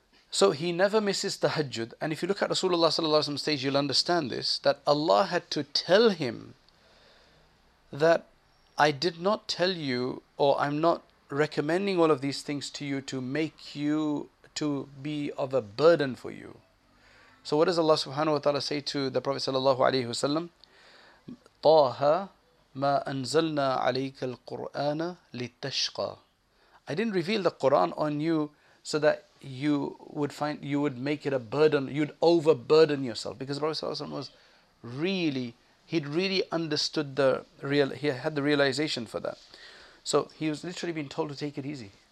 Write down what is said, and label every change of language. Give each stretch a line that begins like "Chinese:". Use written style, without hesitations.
English: So he never misses tahajjud. And if you look at Rasulullah sallallahu alaihi wasallam's stage, you'll understand this, that Allah had to tell him that I did not tell you, or I'm not recommending all of these things to you to make you to be of a burden for you. So what does Allah subhanahu wa ta'ala say to the Prophet sallallahu alaihi wasallam?
Arabic: Taha ما أنزلنا عليك القرآن لتشقى.
English: I didn't reveal the Quran on you so that you would find, you would make it a burden, you'd overburden yourself. Because Prophet ﷺ was really, he'd really understood the real, he had the realization for that. So he was literally being told to take it easy.